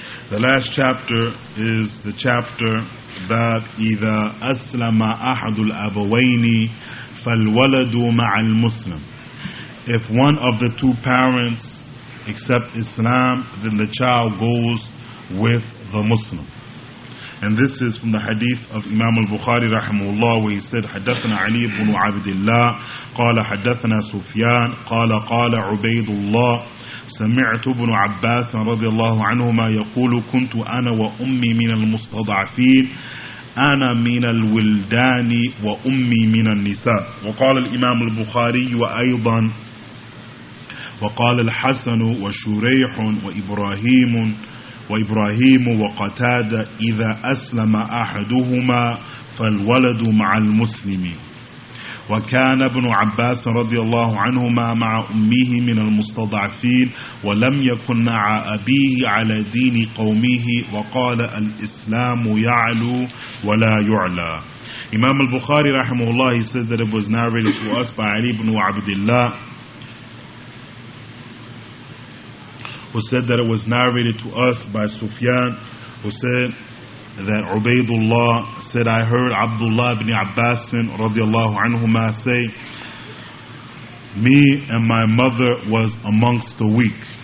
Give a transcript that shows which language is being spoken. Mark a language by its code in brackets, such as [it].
[en] The last chapter is the chapter Bab Idha Aslama Ahadul Abawaini Falwaladu Ma'al Muslim. If one of the two parents accept Islam, then the child goes with the Muslim. And this is from the hadith of Imam al-Bukhari rahimahullah, where he said, [ar] حدثنا علي بن عبد الله قال حدثنا سفيان قال قال عبيد الله سمعت ابن عباس رضي الله عنهما يقول كنت أنا وأمي من المستضعفين أنا من الولدان وأمي من النساء. وقال الإمام البخاري وأيضا وقال الحسن وشريح وإبراهيم وإبراهيم وقتادة إذا أسلم أحدهما فالولد مع المسلمين. وكان ابن عباس رضي الله عنهما مع أمه من المستضعفين ولم يكن مع أبيه على دين قومه وقال الإسلام يعلو ولا يعلى. [en] Imam al-Bukhari رحمه الله, he says that it was narrated to us by Ali ibn Abdullah, who said that it was narrated to us by Sufyan, who said that Ubaidullah said, I heard Abdullah ibn Abbas radiallahu anhuma say, me and my mother was amongst the weak.